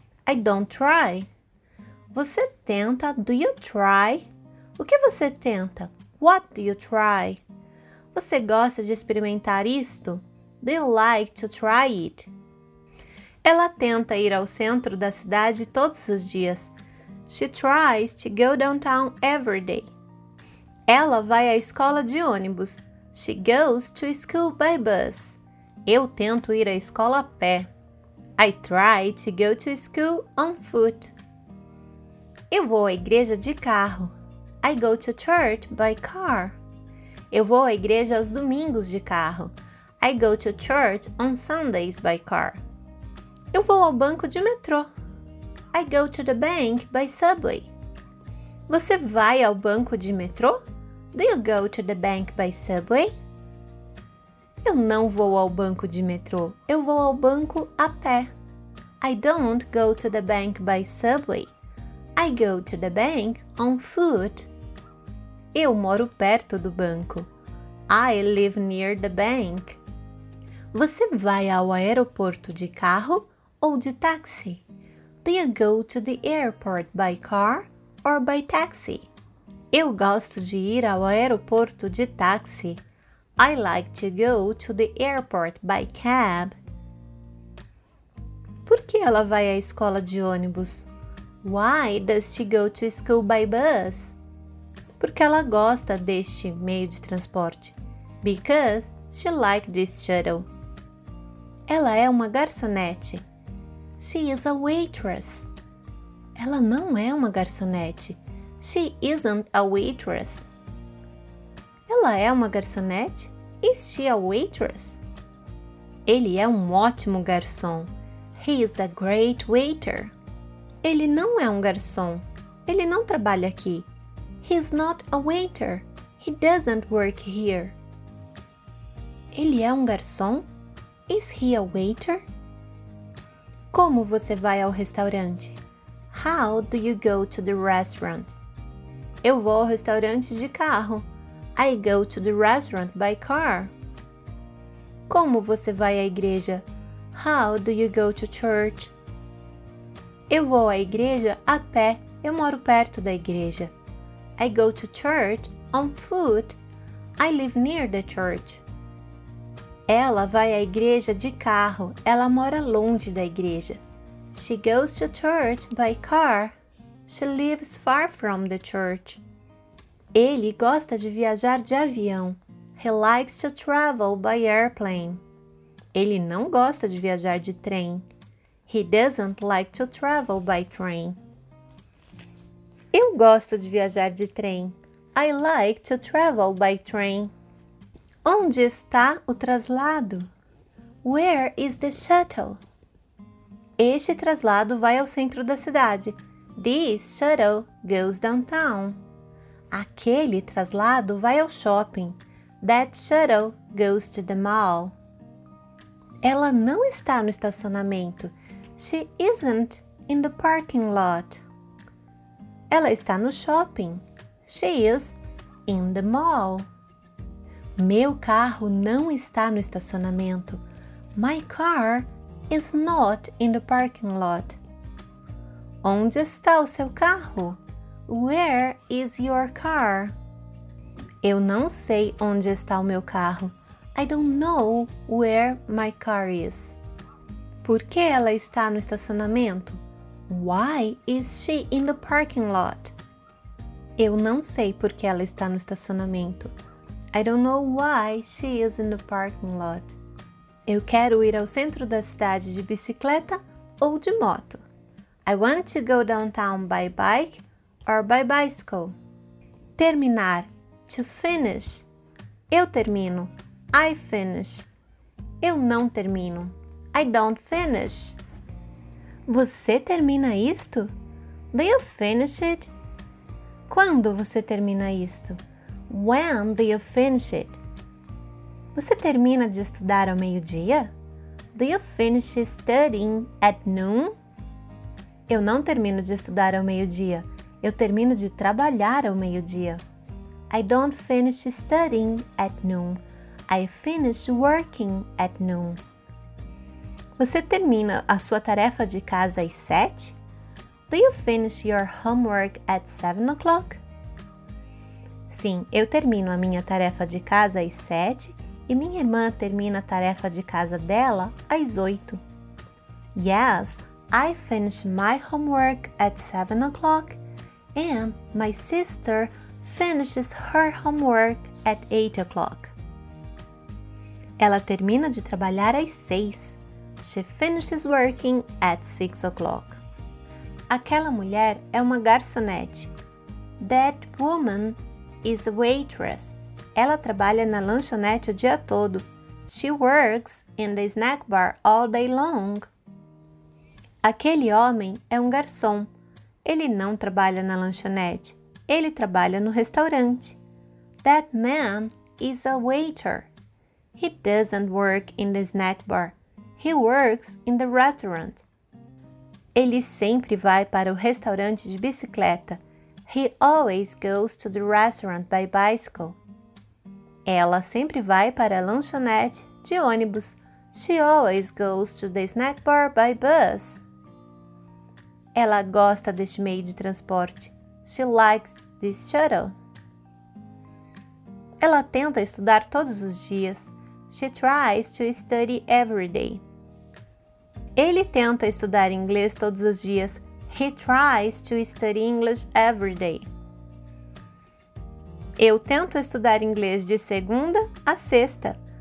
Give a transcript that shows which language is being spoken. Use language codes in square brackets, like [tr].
[en] I don't try. [pt] Você tenta, [en] do you try? [pt] O que você tenta? [en] What do you try? [pt] Você gosta de experimentar isto? [en] Do you like to try it? [pt] Ela tenta ir ao centro da cidade todos os dias. [en] She tries to go downtown every day. [pt] Ela vai à escola de ônibus. [en] She goes to school by bus. [pt] Eu tento ir à escola a pé. [en] I try to go to school on foot. [pt] Eu vou à igreja de carro. [en] I go to church by car. [pt] Eu vou à igreja aos domingos de carro. [en] I go to church on Sundays by car. [pt] Eu vou ao banco de metrô. [en] I go to the bank by subway. [pt] Você vai ao banco de metrô? [en] Do you go to the bank by subway? [pt] Eu não vou ao banco de metrô. Eu vou ao banco a pé. [en] I don't go to the bank by subway. I go to the bank on foot. [pt] Eu moro perto do banco. [en] I live near the bank. [pt] Você vai ao aeroporto de carro ou de táxi? [en] Do you go to the airport by car or by taxi? [pt] Eu gosto de ir ao aeroporto de táxi. [en] I like to go to the airport by cab. [pt] Por que ela vai à escola de ônibus? [en] Why does she go to school by bus? [pt] Porque ela gosta deste meio de transporte. [en] Because she likes this shuttle. [pt] Ela é uma garçonete. [en] She is a waitress. [pt] Ela não é uma garçonete. [en] She isn't a waitress. [pt] Ela é uma garçonete? [en] Is she a waitress? [pt] Ele é um ótimo garçom. [en] He is a great waiter. [pt] Ele não é um garçom. Ele não trabalha aqui. [en] He is not a waiter. He doesn't work here. [pt] Ele é um garçom? [en] Is he a waiter? [pt] Como você vai ao restaurante? [en] How do you go to the restaurant? [pt] Eu vou ao restaurante de carro. [en] I go to the restaurant by car. [pt] Como você vai à igreja? [en] How do you go to church? [pt] Eu vou à igreja a pé. Eu moro perto da igreja. [en] I go to church on foot. I live near the church. [pt] Ela vai à igreja de carro. Ela mora longe da igreja. [en] She goes to church by car. She lives far from the church. [pt] Ele gosta de viajar de avião. [en] He likes to travel by airplane. [pt] Ele não gosta de viajar de trem. [en] He doesn't like to travel by train. [pt] Eu gosto de viajar de trem. [en] I like to travel by train. [pt] Onde está o traslado? [en] Where is the shuttle? [pt] Este traslado vai ao centro da cidade. [en] This shuttle goes downtown. [pt] Aquele traslado vai ao shopping. [en] That shuttle goes to the mall. [pt] Ela não está no estacionamento. [en] She isn't in the parking lot. [pt] Ela está no shopping. [en] She is in the mall. [pt] Meu carro não está no estacionamento. [en] My car is not in the parking lot. [pt] Onde está o seu carro? [en] Where is your car? [pt] Eu não sei onde está o meu carro. [en] I don't know where my car is. [pt] Por que ela está no estacionamento? [en] Why is she in the parking lot? [pt] Eu não sei por que ela está no estacionamento. [en] I don't know why she is in the parking lot. [pt] Eu quero ir ao centro da cidade de bicicleta ou de moto. [en] I want to go downtown by bike or by bicycle. [pt] Terminar. [en] To finish. [pt] Eu termino. [en] I finish. [pt] Eu não termino. [en] I don't finish. [pt] Você termina isto? [en] Do you finish it? [pt] Quando você termina isto? [en] When do you finish it? [pt] Você termina de estudar ao meio-dia? [en] Do you finish studying at noon? [pt] Eu não termino de estudar ao meio-dia. Eu termino de trabalhar ao meio-dia. [en] I don't finish studying at noon. I finish working at noon. [pt] Você termina a sua tarefa de casa às 7? [en] Do you finish your homework at 7 o'clock? [pt] Sim, eu termino a minha tarefa de casa às 7 e minha irmã termina a tarefa de casa dela às 8. [en] Yes, I finish my homework at 7 o'clock and my sister finishes her homework at 8 o'clock. [pt] Ela termina de trabalhar às 6. [en] She finishes working at 6 o'clock. [pt] Aquela mulher é uma garçonete. [en] That woman is a waitress. [pt] Ela trabalha na lanchonete o dia todo. [en] She works in the snack bar all day long. [pt] Aquele homem é um garçom. Ele não trabalha na lanchonete. Ele trabalha no restaurante. [en] That man is a waiter. He doesn't work in the snack bar. He works in the restaurant. [pt] Ele sempre vai para o restaurante de bicicleta. [en] He always goes to the restaurant by bicycle. [pt] Ela sempre vai para a lanchonete de ônibus. [en] She always goes to the snack bar by bus. [pt] Ela gosta deste meio de transporte. [en] She likes this shuttle. [pt] Ela tenta estudar todos os dias. [en] She tries to study every day. [pt] Ele tenta estudar inglês todos os dias. [en] He tries to study English every day. [pt] Eu tento estudar inglês de segunda a sexta.